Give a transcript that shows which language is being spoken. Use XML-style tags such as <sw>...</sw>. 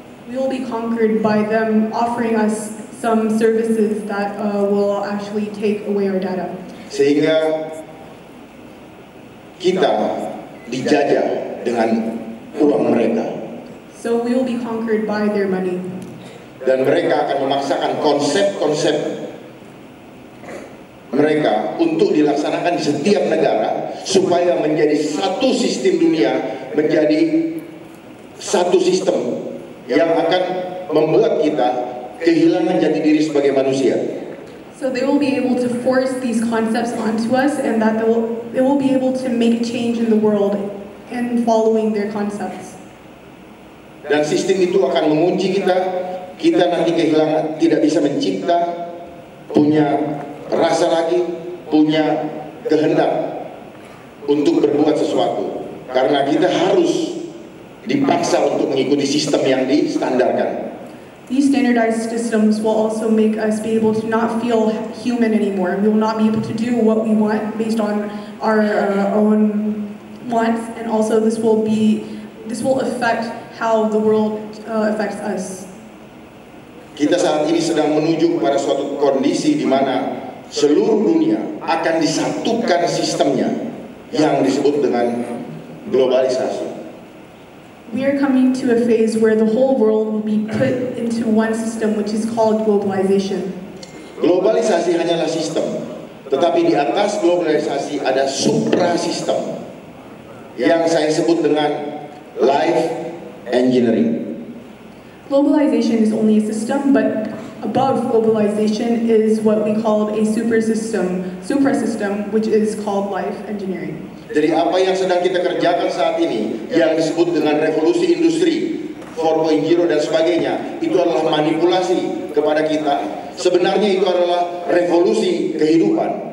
<en>We will be conquered by them offering us some services that will actually take away our data.</en> <id>Sehingga kita dijajah dengan uang mereka.</id> <en>So we will be conquered by their money.</en> <id>Dan mereka akan memaksakan konsep-konsep mereka untuk dilaksanakan di setiap negara supaya menjadi satu sistem dunia, menjadi satu sistem yang akan membuat kita kehilangan jati diri sebagai manusia.</id> <en>So they will be able to force these concepts onto us, and that they will be able to make change in the world and following their concepts.</en> <id>Dan sistem itu akan mengunci kita. Kita nanti kehilangan, tidak bisa mencipta, punya rasa lagi, punya kehendak untuk berbuat sesuatu. Karena kita harus dipaksa untuk mengikuti sistem yang distandarkan.</id> <en>These standardized systems will also make us be able to not feel human anymore. We will not be able to do what we want based on our own wants, and also this will affect how the world affects us.</en> <id>Kita saat ini sedang menuju kepada suatu kondisi di mana seluruh dunia akan disatukan sistemnya yang disebut dengan globalisasi.</id> <en>We are coming to a phase where the whole world will be put into one system which is called globalization.</en> <id>Globalisasi hanyalah sistem, tetapi di atas globalisasi ada suprasistem yang saya sebut dengan life engineering.</id> <en>Globalization is only a system, but above globalization is what we call a suprasystem, which is called life engineering.</en> <id>Jadi apa yang sedang kita kerjakan saat ini, yang disebut dengan revolusi industri 4.0 dan sebagainya, itu adalah manipulasi kepada kita. Sebenarnya itu adalah revolusi kehidupan.</id>